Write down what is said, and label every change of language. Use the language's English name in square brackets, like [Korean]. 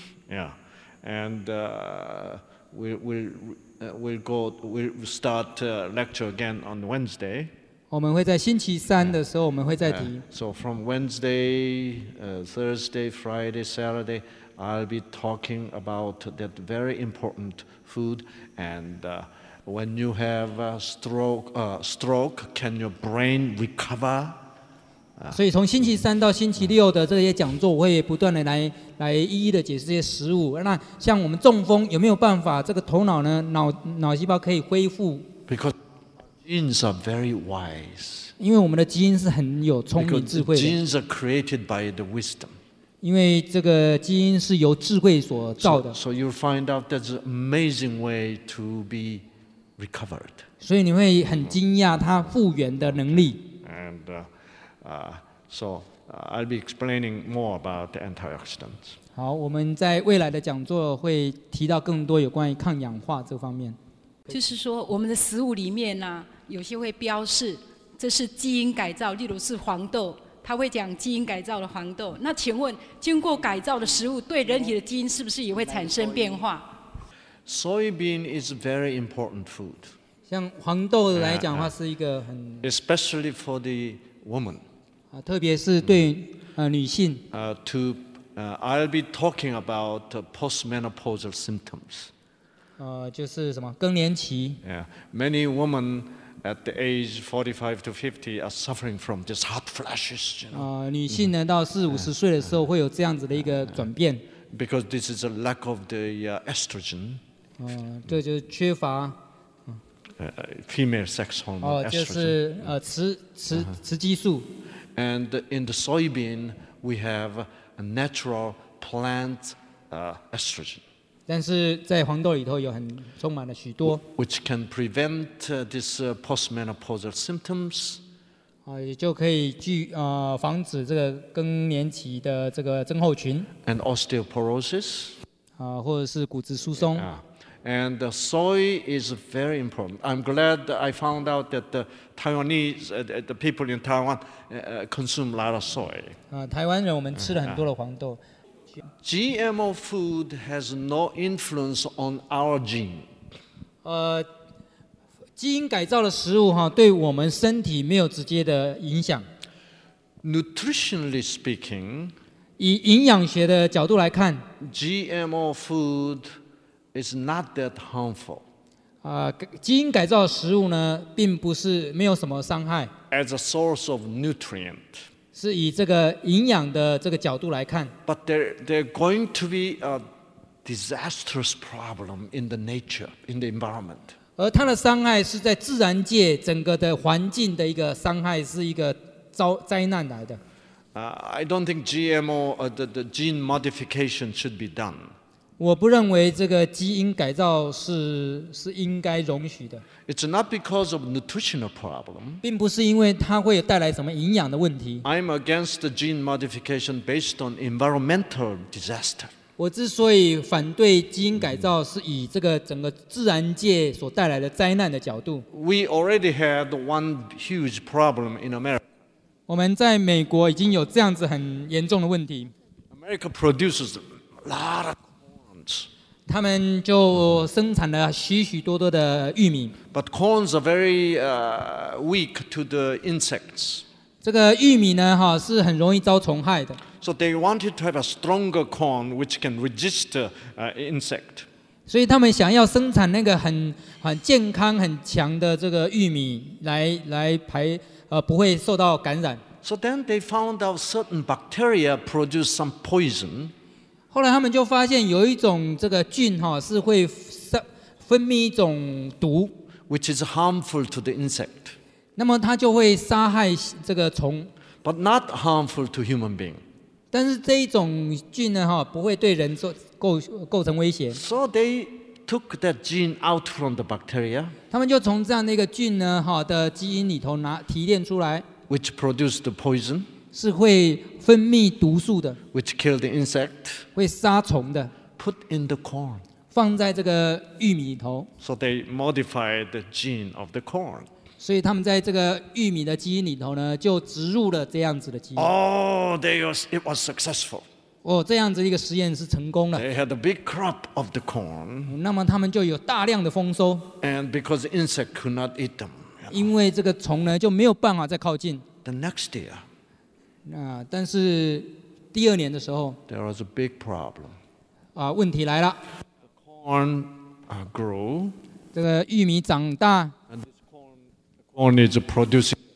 [English] Yeah, and we'll start lecture again on Wednesday. [Chinese] 我们会在星期三的时候，我们会再提。 [English] So from Wednesday, Thursday, Friday, Saturday. I'll be talking about that very important food, and when you have a stroke, can your brain recover? [Chinese] 所以从星期三到星期六的这些讲座，我会不断的来一一的解释这些食物。那像我们中风有没有办法？这个头脑呢，脑细胞可以恢复 [English] ？Because genes are very wise. [Chinese] 因为我们的基因是很有聪明智慧的。 [English] Because genes are created by the wisdom. [Chinese] 因为这个基因是由智慧所造的。 [English] So you'll find out that's an amazing way to be recovered. [Chinese] 所以你会很惊讶它复原的能力。 [English] And so I'll be explaining more about the antioxidants. [Chinese] 好，我们在未来的讲座会提到更多有关于抗氧化这方面。就是说我们的食物里面呢、啊，有些会标示这是基因改造，例如是黄豆，它会讲基因改造的黄豆。那请问经过改造的食物对人体的基因是不是也会产生变化？ [English] Soybean is very important food. [Chinese] 像黄豆来讲的话是一个很 [English] especially for the woman. [Chinese] 特别是对女性。 [English] I'll be talking about postmenopausal symptoms. [Chinese] 就是什么更年期。 [English] Yeah, many women at the age 45 to 50 are suffering from just hot flashes. [Chinese] 女性呢到四五十岁的时候会有这样子的一个转变。 [English] Because this is a lack of the estrogen. [Chinese] 这就是缺乏。 [English] Female sex hormone. [Chinese] 就是雌激素。 [English] And in the soybean, we have a natural plant estrogen. [Chinese] 但是在黄豆里头有很充满了许多 [English] ，which can prevent this postmenopausal symptoms. [Chinese] 也就可以防止这个更年期的这个症候群 [English] ，and osteoporosis. [Chinese] 或者是骨质疏松。 Yeah. [English] And the soy is very important. I'm glad I found out that the Taiwanese, the people in Taiwan, consume a lot of soy. [Chinese] 台湾人我们吃了很多的黄豆。 [English] GMO food has no influence on our gene. [Chinese] 基因改造的食物哈，对我们身体没有直接的影响。 [English] Nutritionally speaking, [Chinese] 以营养学的角度来看 [English] ，GMO food is not that harmful. [Chinese] 基因改造的食物呢，并不是没有什么伤害。 [English] As a source of nutrient. [Chinese] 是以这个营养的这个角度来看。 [English] But there going to be a disastrous problem in the nature, in the environment. [Chinese] 而它的伤害是在自然界整个的环境的一个伤害，是一个灾难来的。 [English] I don't think GMO, the gene modification should be done. [Chinese] 我不认为这个基因改造 是应该容许的。 [English] It's not because of nutritional problem. [Chinese] 并不是因为它会带来什么营养的问题。 [English] I'm against the gene modification based on environmental disaster. [Chinese] 我之所以反对基因改造，是以这个整个自然界所带来的灾难的角度。 [English] We already had one huge problem in America. [Chinese] 我们在美国已经有这样子很严重的问题。 [English] America produces a lot of [Chinese] 他们就生产了许许多多的玉米。 [English] But corns are very weak to the insects. [Chinese] 这个玉米呢，哈，是很容易遭虫害的。 [English] So they wanted to have a stronger corn which can resist insect. [Chinese] 所以他们想要生产那个很健康、很强的这个玉米，来排不会受到感染。 [English] So then they found out certain bacteria produce some poison. [Chinese] 后来他们就发现有一种这个菌是会分泌一种毒 [English] ，which is harmful to the insect。 [Chinese] 那么它就会杀害这个虫 [English] ，but not harmful to human being。 [Chinese] 但是这一种菌呢不会对人构成威胁。 [English] So they took that gene out from the bacteria。 [Chinese] 他们就从这样的一个菌呢的基因里头提炼出来 [English] ，which produced the poison。 [Chinese] 是会分泌毒素的 [English] ，which kill the insect， [Chinese] 会杀虫的 [English] ，put in the corn， [Chinese] 放在这个玉米里头 [English] ，so they modified the gene of the corn， [Chinese] 所以他们在这个玉米的基因里头呢，就植入了这样子的基因。 [English] It was successful。 [Chinese] 哦，这样子一个实验是成功了。 [English] They had a big crop of the corn。 [Chinese] 那么他们就有大量的丰收。 [English] And because the insect could not eat them， [Chinese] 因为这个虫呢就没有办法再靠近。 [English] The next year。 [Chinese] 但是第二年的时候 [English] ，there was a big problem。 [Chinese] 问题来了。 [English] The corn grew。 [Chinese] 这个玉米长大。 [English] And this corn is producing。